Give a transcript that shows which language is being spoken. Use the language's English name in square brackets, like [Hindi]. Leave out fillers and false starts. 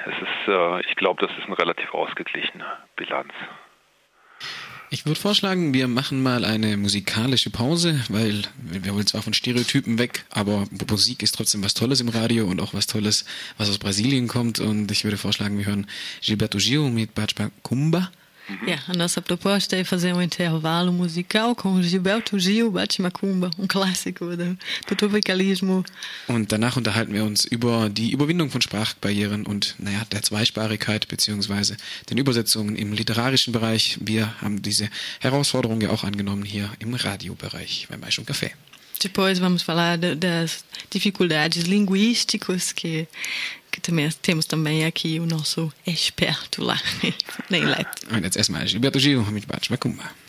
[German] Es ist, ich glaube, das ist eine relativ ausgeglichene Bilanz. Ich würde vorschlagen, wir machen mal eine musikalische Pause, weil wir wollen zwar von Stereotypen weg, aber Musik ist trotzdem was Tolles im Radio und auch was Tolles, was aus Brasilien kommt. Und ich würde vorschlagen, wir hören Gilberto Gil mit Bachba Kumba. [Portuguese] Ja, a nossa proposta é fazer intervalo musical com Gilberto Gil, Bachba Kumba, um clássico do tropicalismo. [German] Und danach unterhalten wir uns über die Überwindung von Sprachbarrieren und, naja, der Zweisprachigkeit bzw. den Übersetzungen im literarischen Bereich. Wir haben diese Herausforderung ja auch angenommen hier im Radiobereich beim Maischung Café. [Portuguese] Depois vamos falar das dificuldades linguísticas que também temos também aqui o nosso experto lá na Inlet. [German] Und jetzt erstmal Gilberto Gil mit Bachba Kumba.